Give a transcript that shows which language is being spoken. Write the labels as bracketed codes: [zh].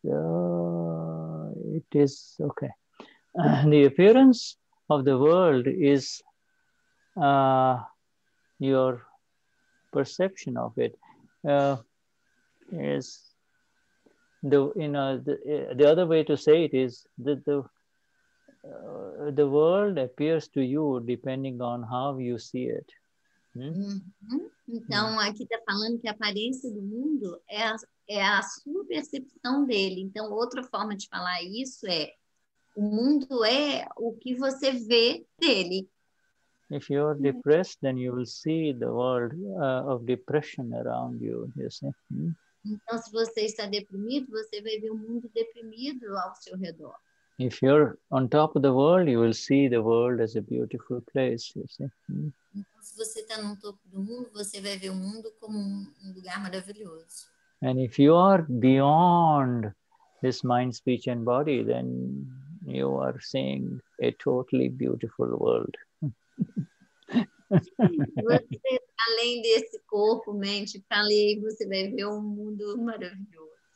[en] It is okay. The appearance of the world is your perception of it. Is the you know the other way to say it is that the world appears to you depending on how you see it. [pt] Então aqui está falando que a aparência do mundo é a sua percepção dele. Então outra forma de falar isso é o mundo é o que você vê dele. [en] If you are depressed, then you will see the world of depression around you. You see. [pt] Então, se você está deprimido, você vai ver o mundo deprimido ao seu redor. [en] If you're on top of the world, you will see the world as a beautiful place, you see. [pt] Então, se você está no topo do mundo, você vai ver o mundo como um lugar maravilhoso. [en] And if you are beyond this mind, speech, and body, then you are seeing a totally beautiful world. [pt] Você, além desse corpo, mente, falei, você vai ver um mundo maravilhoso.